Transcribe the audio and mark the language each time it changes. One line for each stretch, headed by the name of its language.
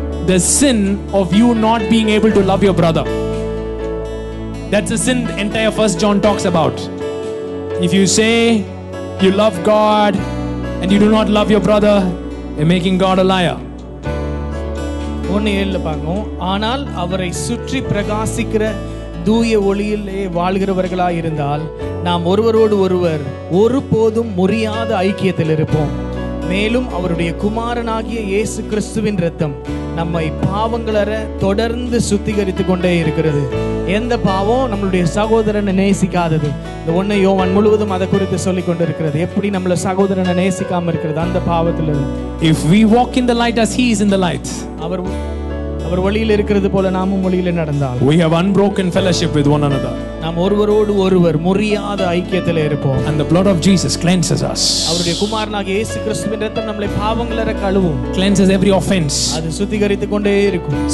English: The sin of you not being able to love your brother. That's the sin the entire 1 John talks about. If you say you love God and you do not love your brother, you're making God a liar.
Tamil: ஒன்னு ஏழு bongo, ஆனால் அவரை சுற்றி பிரகாசிக்கிற தூய ஒளியிலே வாழ்கிறவர்களாய் இருந்தால் நாம் ஒருவரோடு ஒருவர் ஒருபோதும் முறியாத ஐக்கியத்தில் இருப்போம். மேலும் அவருடைய குமாரனாகிய இயேசு கிறிஸ்துவின் இரத்தம் நம்மை பாவங்களற தொடர்ந்து சுத்திகரித்து கொண்டே இருக்கிறது. எந்த பாவம் நம்மளுடைய சகோதரனை நேசிக்காதது? இந்த ஒன்னு யோவான் முழுவதும் அதை குறித்து சொல்லி கொண்டு இருக்கிறது. எப்படி நம்மள சகோதரனை நேசிக்காம இருக்கிறது? அந்த பாவத்திலிருந்து.
English: If we walk in the light as he is in the light,
Tamil: அவர் ஒளியில் இருக்கிறது போல நாமும் ஒளியில் நடந்தால்,
English: we have unbroken fellowship with one another,
Tamil: நாம் ஒருவரோடு ஒருவர் முறியாத ஐக்கியத்தில் இருப்போம்.
English: And the blood of Jesus cleanses us.
Tamil: அவருடைய குமாரனாகிய இயேசு கிறிஸ்துவின் இரத்தம் நம்மை பாவங்களற கழுவும்.
English: Cleanses every offense.
Tamil: அது சுத்திகரித்து கொண்டே இருக்கும்.